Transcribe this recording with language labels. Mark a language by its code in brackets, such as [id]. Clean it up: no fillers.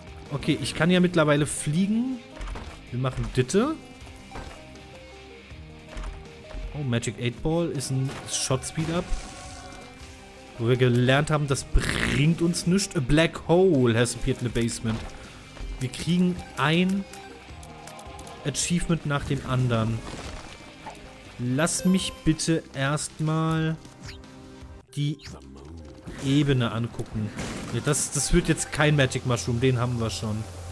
[de] Okay, ich kann ja mittlerweile fliegen. Wir machen Ditte. Oh, Magic 8 Ball ist ein Shot Speed Up. Wo wir gelernt haben, das bringt uns nichts. [en] A black hole has appeared in the basement. [de] Wir kriegen ein Achievement nach dem anderen. Lass mich bitte erstmal die Ebene angucken. Ja, das wird jetzt kein Magic Mushroom, den haben wir schon.